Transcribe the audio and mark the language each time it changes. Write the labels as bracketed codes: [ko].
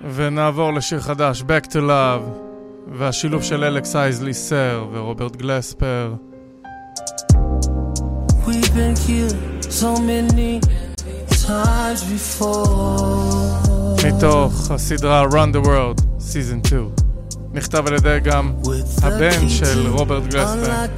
[he] נעבור לשיר חדש, Back to Love, והשילוב של אלכס אייזלי סר ורוברט גלספר. [en] We've been killed so many times before. [he] מתוך הסדרה Run the World, Season 2. נכתב על ידי גם הבן של רוברט גלספר.